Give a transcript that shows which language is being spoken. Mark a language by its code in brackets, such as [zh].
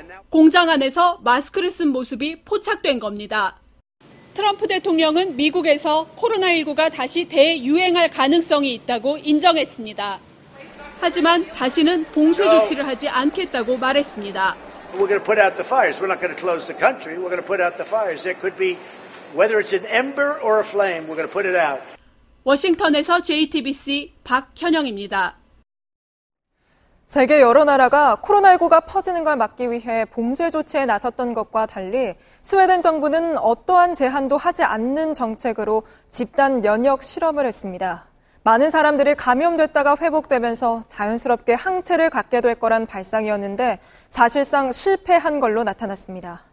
[ko] 공장 안에서 마스크를 쓴 모습이 포착된 겁니다. 트럼프 대통령은 미국에서 코로나19가 다시 대유행할 가능성이 있다고 인정했습니다. 하지만 다시는 봉쇄 조치를 하지 않겠다고 말했습니다. [en] We're going to put out the fires. We're not going to close the country. We're going to put out the fires. There could be, whether it's an ember or a flame, we're going to put it out. [ko] 워싱턴에서 JTBC 박현영입니다. 세계 여러 나라가 코로나19가 퍼지는 걸 막기 위해 봉쇄 조치에 나섰던 것과 달리 스웨덴 정부는 어떠한 제한도 하지 않는 정책으로 집단 면역 실험을 했습니다. 많은 사람들이 감염됐다가 회복되면서 자연스럽게 항체를 갖게 될 거란 발상이었는데 사실상 실패한 걸로 나타났습니다.